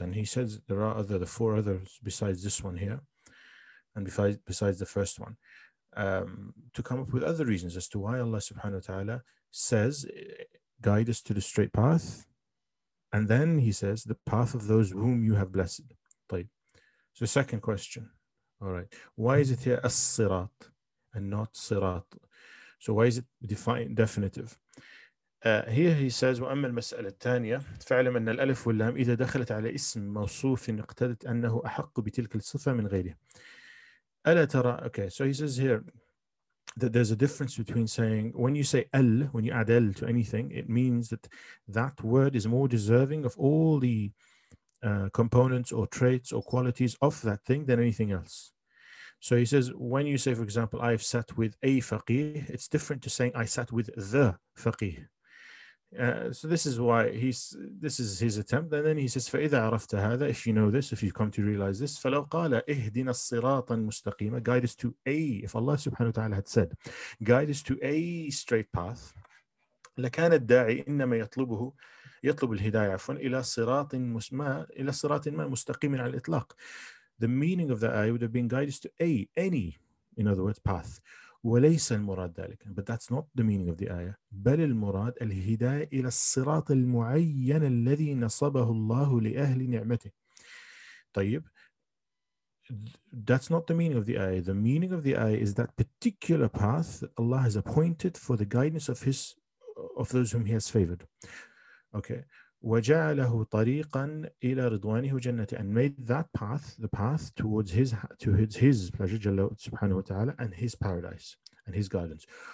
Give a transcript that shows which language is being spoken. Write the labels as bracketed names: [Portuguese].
[English] And he says there are the four others besides this one here, and besides the first one, to come up with other reasons as to why Allah subhanahu wa ta'ala says, guide us to the straight path. And then he says, the path of those whom you have blessed. [Arabic] طيب. [English] So second question. All right. Why is it here as-sirat and not sirat? So why is it definitive? Here he says, [Arabic] وأما المسألة الثانية فعلم أن الألف واللام إذا دخلت على اسم موصوف اقتدت أنه أحق بتلك الصفة من غيره. ألا ترى. [English] Okay, so he says here that there's a difference between saying, when you say أل, when you add أل to anything, it means that that word is more deserving of all the components or traits or qualities of that thing than anything else. So he says, when you say, for example, I've sat with a faqih, it's different to saying I sat with the faqih. So this is why this is his attempt. And then he says, [Arabic] فَإِذَا عَرَفْتَ هَذَا, [English] if you know this, if you've come to realize this, [Arabic] فَلَوْ قَالَ اِهْدِنَا الصِّرَاطًا مُسْتَقِيمًا, [English] guide us to a, if Allah subhanahu wa ta'ala had said, guide us to a straight path, [Arabic] لَكَانَ الدَّاعِ إِنَّمَا يَطْلُبُهُ يَطْلُبُ الْهِدَايَةَ عَفْوًا إِلَى صِرَاطٍ مَا مُسْتَقِيمٍ عَلَى الْإِطْلَاقِ. [English] The meaning of the ayah would have been guide us to any, in other words, path, [Arabic] وليس المراد ذلك. [English] But that's not the meaning of the ayah. [Arabic] بل المراد الهداية إلى الصراط المعين الذي نصبه الله لأهل نعمته. طيب. [English] That's not the meaning of the ayah. The meaning of the ayah is that particular path Allah has appointed for the guidance of His, of those whom He has favored. Okay. [Arabic] وجعله طريقا إلى رضوانه وجنته, [English] and made that path the path towards His, to His pleasure, [Arabic] جل سبحانه وتعالى, [English] and His paradise and His gardens.